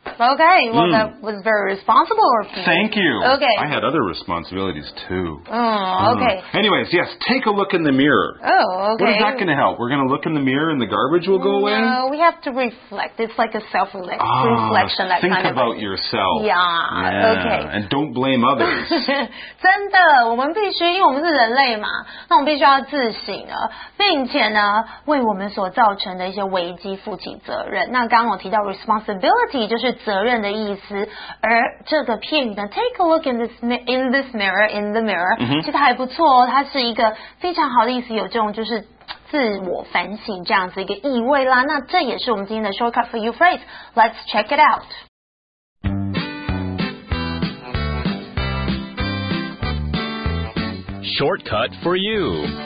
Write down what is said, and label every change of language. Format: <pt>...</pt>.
<en>Okay, well, that was very responsible of you. Thank you. Okay. I had other responsibilities, too. Okay. Anyways, yes, take a look in the mirror. Oh, okay. What is that going to help? We're going to look in the mirror and the garbage will go away? No, we have to reflect. It's like a self-reflection. Think kind of about thing. Yourself. Yeah, okay. And don't blame others.</en> <zh>真的,我们必须,因为我们是人类嘛,那我们必须要自省啊,并且呢,为我们所造成的一些危机负起责任。那刚刚我提到 responsibility 就是责任的意思，而这个片语呢 ，</zh> <en>take a look in the mirror，、 mm-hmm.</en> <zh>其实还不错哦，它是一个非常好的意思，有这种就是自我反省这样子一个意味啦。那这也是我们今天的</zh> <en>shortcut for you phrase， let's check it out。 Shortcut for you。</en>